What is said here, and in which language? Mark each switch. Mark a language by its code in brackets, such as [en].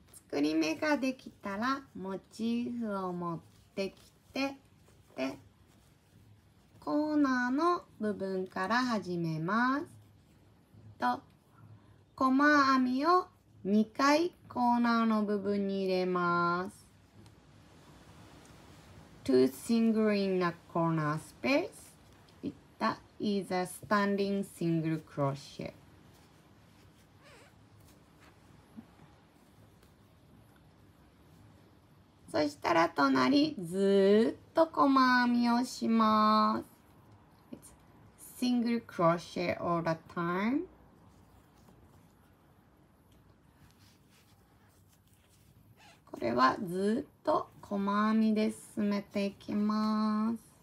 [ja] 作り目ができたら、モチーフを持ってきて、で、コーナーの部分から始めます。と、細編みを2回コーナーの部分に入れます。 [en] Two single in a corner space. It is a standing single crochet. [ja] そしたら隣ずーっと細編みをします。 [en] It's single crochet all the time. [ja] これはずーっと細編みで進めていきます。